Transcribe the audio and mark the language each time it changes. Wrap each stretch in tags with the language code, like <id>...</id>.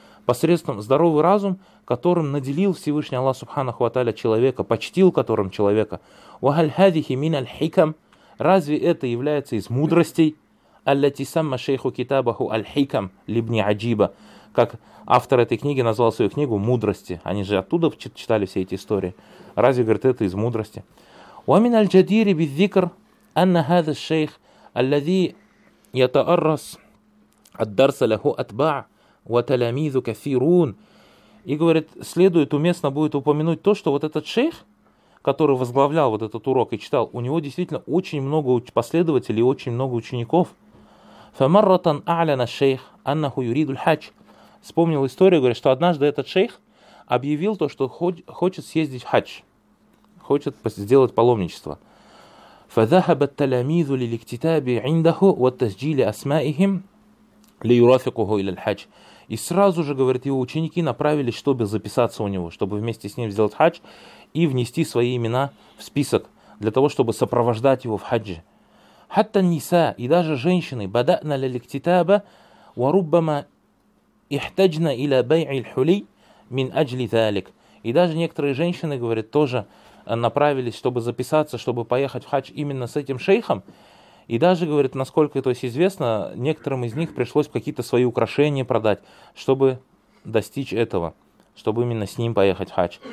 <ru>Посредством здоровый разум, которым наделил Всевышний Аллах Субханаху Ва Тааля человека, почтил которым человека.</ru> <ar>وَهَلْ هَذِهِ مِنَ الْحِكَمْ.</ar> <ru>Разве это является из мудростей?</ru> <ar>الَّذِي سَمَّ شَيْخُ كِتَابَهُ الْحِكَمْ لِبْنِ عَجِيبَ.</ar> <ru>Как автор этой книги назвал свою книгу «Мудрости». Они же оттуда читали все эти истории. Разве, говорит, это из мудрости?</ru> <ar>وَمِنَ الْجَدِيرِ بِالذِّكْرِ أن هذا الشيخ الذي يتأرس الدرس له أتباع وتلاميذ كثيرون.</ar> <ru>И говорит, следует уместно будет упомянуть то, что вот этот шейх, который возглавлял вот этот урок и читал, у него действительно очень много последователей и очень много учеников.</ru> <ar>فمرة أعلن الشيخ أنه يريد الحج.</ar> <ru>Вспомнил историю, говорит, что однажды этот шейх объявил то, что хочет съездить в хадж, хочет сделать паломничество.</ru> <ar>فذهب التلاميذ للاكتتاب عنده والتسجيل أسمائهم ليرافقه إلى الحج.</ar> <ru>И сразу же, говорит, его ученики направились, чтобы записаться у него, чтобы вместе с ним сделать хадж и внести свои имена в список для того, чтобы сопровождать его в хадже.</ru> <ar>حتى النساء,</ar> <ru>и даже женщины,</ru> <ar>بدأنا للاكتتاب وربما احتجنا إلى بيع الحلي من أجل ذلك.</ar> <ru>И даже некоторые женщины, говорит, тоже направились, чтобы записаться, чтобы поехать в хадж именно с этим шейхом. И даже, говорит, насколько то есть известно, некоторым из них пришлось какие-то свои украшения продать, чтобы достичь этого, чтобы именно с ним поехать в хадж.</ru>